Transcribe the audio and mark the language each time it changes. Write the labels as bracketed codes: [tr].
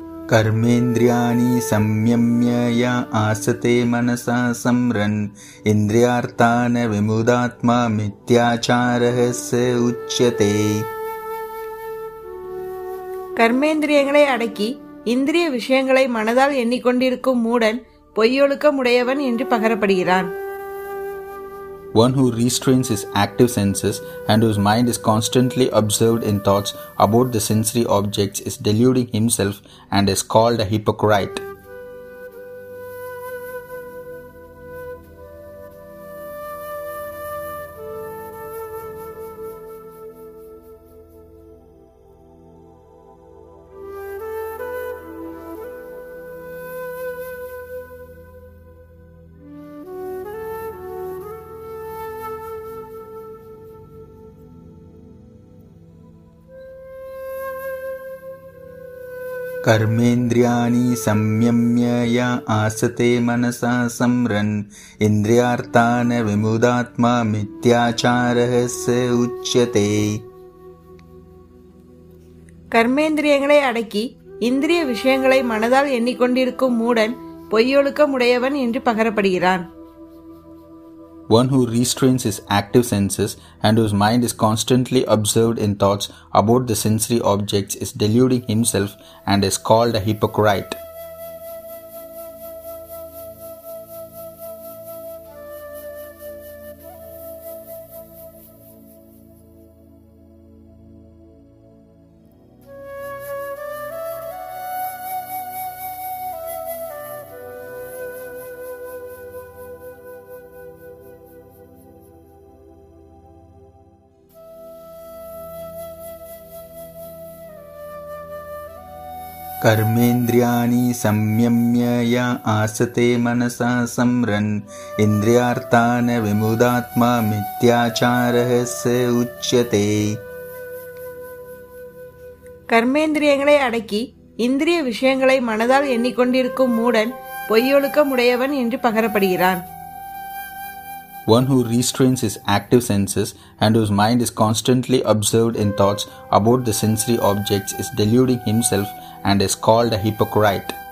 [sa] கர்மேந்திரியாணி சம்யம்யா ஆசதே மனசா சம்ரன் இந்திரியார்த்தான விமுதாத்மா மித்யாச்சாரஸ உச்சதே. [ta] கர்மேந்திரியங்களை அடக்கி இந்திரிய விஷயங்களை மனதால் எண்ணிக்கொண்டிருக்கும் மூடன் பொய்யொழுக்கமுடையவன் என்று பகரப்படுகிறான். [en] One who restrains his active senses and whose mind is constantly absorbed in thoughts about the sensory objects is deluding himself and is called a hypocrite. [sa] கர்மேந்திரியாணி சம்யம்யா ஆசதே மனசா சம்ரன் இந்திரியார்த்தான விமுதாத்மா மித்யாச்சாரஸ உச்சதே. [ta] கர்மேந்திரியங்களை அடக்கி இந்திரிய விஷயங்களை மனதால் எண்ணிக்கொண்டிருக்கும் மூடன் பொய்யொழுக்கமுடையவன் என்று பகரப்படுகிறான். [en] One who restrains his active senses and whose mind is constantly absorbed in thoughts about the sensory objects is deluding himself and is called a hypocrite. [sa] கர்மேந்திரியாணி சம்யம்யா ஆசதே மனசா சம்ரன் இந்திரியார்த்தான விமுதாத்மா மித்யாச்சாரஸ உச்சதே. [ta] கர்மேந்திரியங்களை அடக்கி இந்திரிய விஷயங்களை மனதால் எண்ணிக்கொண்டிருக்கும் மூடன் பொய்யொழுக்கமுடையவன் என்று பகரப்படுகிறான். [en] One who restrains his active senses and whose mind is constantly absorbed in thoughts about the sensory objects is deluding himself and is called a hypocrite.